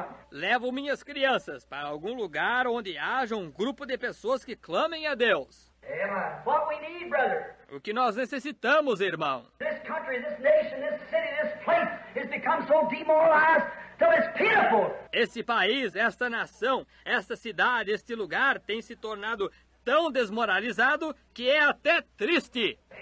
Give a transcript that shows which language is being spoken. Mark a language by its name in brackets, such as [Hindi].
[Portuguese] Levo minhas crianças para algum lugar onde haja um grupo de pessoas que clamem a Deus. [English] What we need, brother. [Portuguese] O que nós necessitamos, irmão? [English] This country, this nation, this city, this place has become so demoralized. [Portuguese] Esse país, esta nação, esta cidade, este lugar tem se tornado tão desmoralizado que é até triste.